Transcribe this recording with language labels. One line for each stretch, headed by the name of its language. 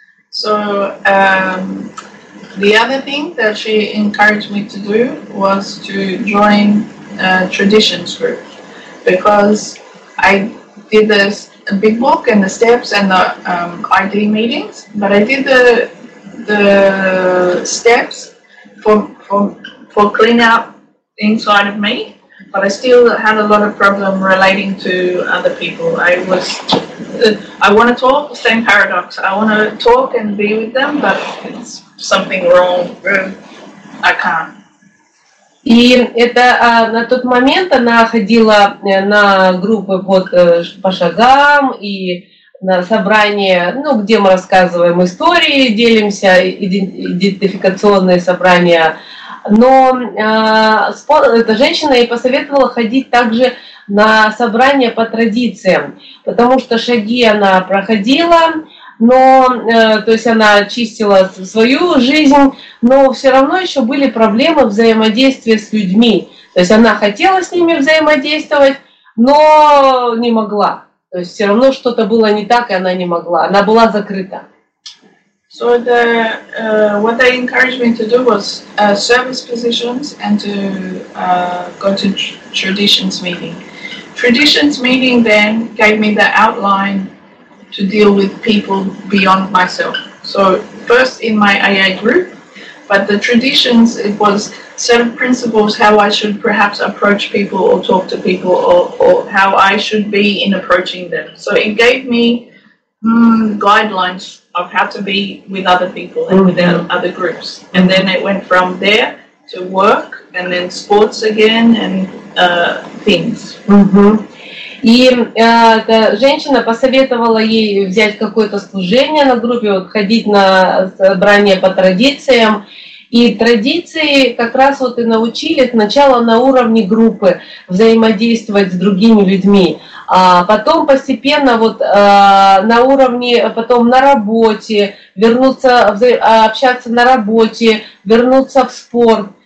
English: So the other thing that she encouraged me to do was to join a traditions group. Because I did this big book and the steps and the ID meetings, but I did the steps for clean up inside of me, but I still had a lot of problem relating to other people. I want to talk, same paradox. I want to talk and be with them, but it's something wrong. I can't.
Russian: И это на тот момент она ходила на группы вот по шагам и на собрания, ну, где мы рассказываем истории, делимся, идентификационные собрания. Но эта женщина ей посоветовала ходить также на собрания по традициям, потому что шаги она проходила, но то есть она чистила свою жизнь, но все равно еще были проблемы взаимодействия с людьми. То есть она хотела с ними взаимодействовать, но не могла. То есть все равно что-то было не так, и она не могла. Она была закрыта.
English: So the what they encouraged me to do was service positions and to go to traditions meeting. Traditions meeting then gave me the outline to deal with people beyond myself. So first in my AA group, but the traditions, it was set of principles how I should perhaps approach people or talk to people or how I should be in approaching them. So it gave me guidelines of how to be with other people and with other groups. And then it went from there to work and then sports again and things. Mm-hmm.
Russian: И эта женщина посоветовала ей взять какое-то служение на группе, вот, ходить на собрания по традициям. И традиции как раз вот и научили сначала на уровне группы взаимодействовать с другими людьми, а потом постепенно вот на уровне, потом на работе, вернуться, общаться на работе, вернуться в спорт.